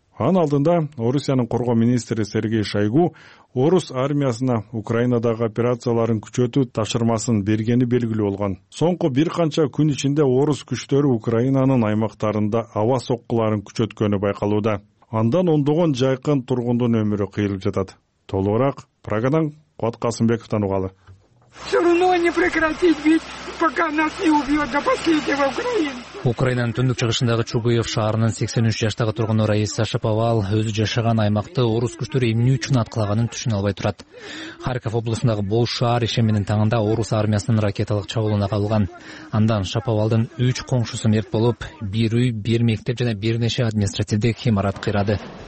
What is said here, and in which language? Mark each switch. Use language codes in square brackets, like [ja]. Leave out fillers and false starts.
[ky] Анын алдында Орусиянын коргоо министри Сергей Шойгу орус армиясына Украинадагы операцияларын күчөтүү тапшырмасын бергени белгилүү болгон. Соңку бир канча күн ичинде орус күчтөрү Украинанын аймактарында аба соккуларын күчөткөнү байкалууда. Андан ондогон жакын тургундун өмүрү кыйылып жатат. Толугураак Прагадан Кубат Касымбековдон угалы. [ru] Все равно не прекратить бить, пока нас не убьет до последнего украинца. [ky] Украинанын түндүк чыгышындагы Чугуев шаарынын 83 жаштагы тургуну Раиса Шаповал өзү жашаган аймакты орус күчтөрү эмне үчүн аткылаганын түшүнө албай турат. Харьков облусундагы бул шаар ишембинин таңында орус армиясынын ракеталык чабуулуна кабылган. Андан Шаповалдын 3 коңшусу мерт болуп, бир үй, бир мектеп жана бир нече административдик имарат кыйрады.